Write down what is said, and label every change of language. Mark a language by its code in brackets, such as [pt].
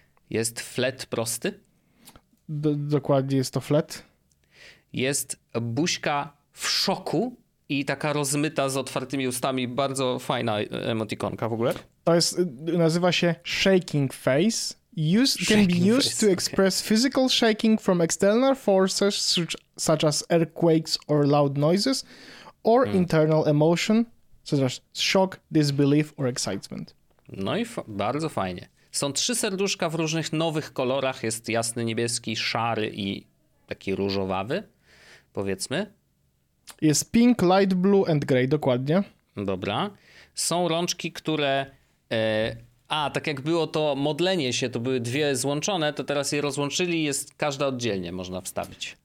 [pl] Jest flat prosty? Dokładnie jest to flat. Jest buźka w szoku i taka rozmyta z otwartymi ustami. Bardzo fajna emotikonka w ogóle. To jest, nazywa się shaking face. [en] Can be used to express physical shaking from external forces such as earthquakes or loud noises or internal emotion such as shock, disbelief or excitement. [pl] No i bardzo fajnie. Są trzy serduszka w różnych nowych kolorach. Jest jasny, niebieski, szary i taki różowawy, powiedzmy. Jest [en] pink, light blue and grey, [pl] dokładnie. Dobra. Są rączki, które A, tak jak było to modlenie się, to były dwie złączone, to teraz je rozłączyli i jest każda oddzielnie można wstawić.